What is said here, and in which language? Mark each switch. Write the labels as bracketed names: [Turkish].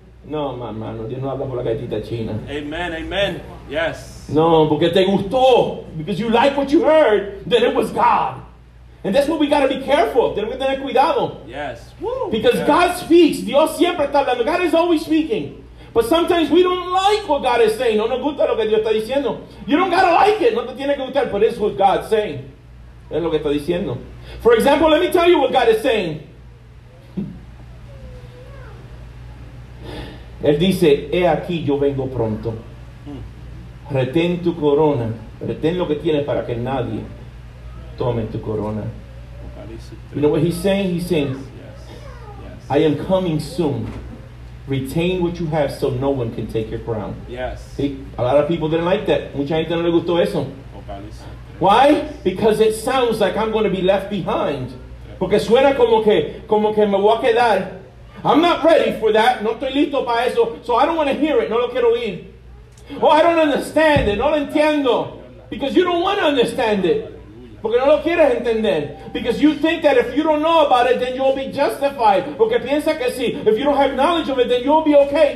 [Spanish] No, mamá, no, Dios no habla por la galletita china. [English] Amen, amen. Yes. [Spanish] No, porque te gustó. [English] Because you like what you heard, then it was God. And that's what we got to be careful. [Spanish] Tenemos que tener cuidado. [English] Yes. Because God speaks. [Spanish] Dios siempre está hablando. [English] God is always speaking. But sometimes we don't like what God is saying. [Spanish] No nos gusta lo que Dios está diciendo. [English] You don't got to like it. [Spanish] No te tiene que gustar. [English] But it's what God's saying. [Spanish] Es lo que está diciendo. [English] For example, let me tell you what God is saying. [Spanish] Él dice, he aquí, yo vengo pronto. Retén tu corona. Retén lo que tienes para que nadie tome tu corona. [English] You know what he's saying? He's saying, yes, yes, yes. I am coming soon. Retain what you have so no one can take your crown. Yes. See, a lot of people didn't like that. [Spanish] Mucha gente no le gustó eso. [English] Why? Because it sounds like I'm going to be left behind. [Spanish] Porque suena como que me voy a quedar. [English] I'm not ready for that. [Spanish] No estoy listo para eso. [English] So I don't want to hear it. [Spanish] No lo quiero oír. [English] Oh, I don't understand it. [Spanish] No lo entiendo. [English] Because you don't want to understand it. [Spanish] Porque no lo quieres entender. [English] Because you think that if you don't know about it, then you'll be justified. [Spanish] Porque piensa que sí. [English] If you don't have knowledge of it, then you'll be okay.